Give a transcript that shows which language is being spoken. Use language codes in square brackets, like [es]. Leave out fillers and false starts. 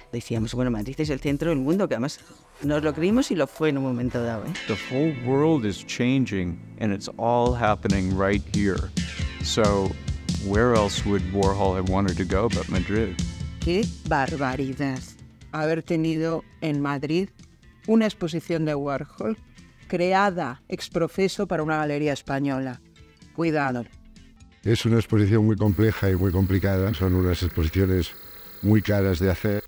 [es] Decíamos, bueno, Madrid es el centro del mundo, que además nos lo creímos y lo fue en un momento dado. [en] The whole world is changing and it's all happening right here. So where else would Warhol have wanted to go but Madrid? [es] Qué barbaridad haber tenido en Madrid una exposición de Warhol creada ex profeso para una galería española. Cuidado. Es una exposición muy compleja y muy complicada. Son unas exposiciones muy caras de hacer.